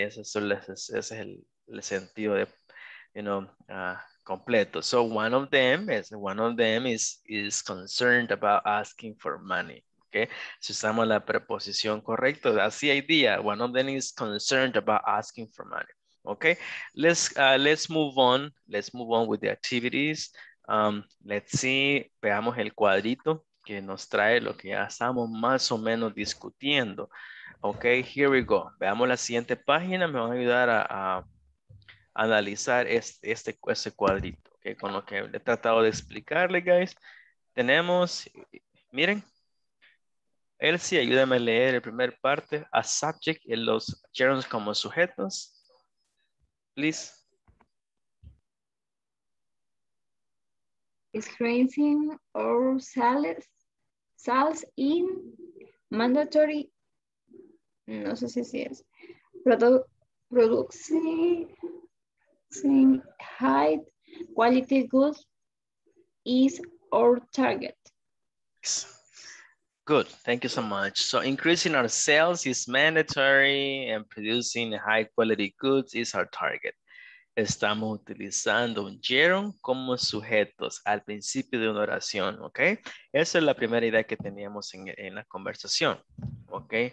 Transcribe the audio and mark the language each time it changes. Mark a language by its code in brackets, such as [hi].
[es] Ese es el sentido de... [en] you know, [es] completo. [en] So one of them is concerned about asking for money. Okay. [es] Si usamos la preposición correcta, [en] that's the idea. One of them is concerned about asking for money. Okay. Let's move on with the activities. Let's see, [es] veamos el cuadrito que nos trae lo que ya estamos más o menos discutiendo. [en] Okay, here we go. [es] Veamos la siguiente página. Me van a ayudar a analizar este cuadrito, okay, con lo que he tratado de explicarle, guys. Tenemos, miren, Elsie, ayúdame a leer el primer parte, a subject y los gerunds como sujetos. [en] Please. Experiencing or sales in mandatory, no sé si es, producing, high quality goods is our target. Good, thank you so much. So increasing our sales is mandatory and producing high quality goods is our target. [es] Estamos utilizando un gerund como sujetos al principio de una oración, ¿ok? Esa es la primera idea que teníamos en la conversación, ¿ok?